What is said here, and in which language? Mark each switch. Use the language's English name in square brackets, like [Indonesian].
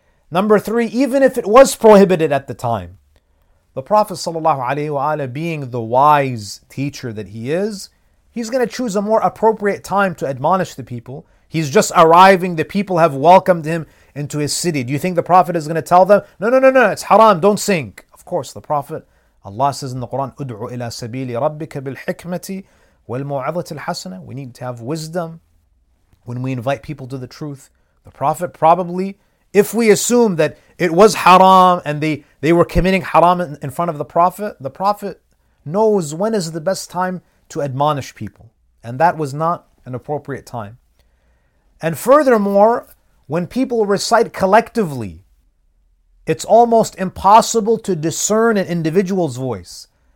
[English] Number three, even if it was prohibited at the time, the Prophet ﷺ, being the wise teacher that he is, he's going to choose a more appropriate time to admonish the people. He's just arriving, the people have welcomed him into his city. Do you think the Prophet is going to tell them, no, it's haram, don't sing? Of course, the Prophet, Allah says in the Quran, [Arabic] ادعو إلى سبيل ربك بالحكمة والموعظة الحسنة. [English] We need to have wisdom when we invite people to the truth. The Prophet probably, if we assume that it was haram and they were committing haram in front of the Prophet knows when is the best time to admonish people. And that was not an appropriate time. And furthermore, when people recite collectively, it's almost impossible to discern an individual's voice.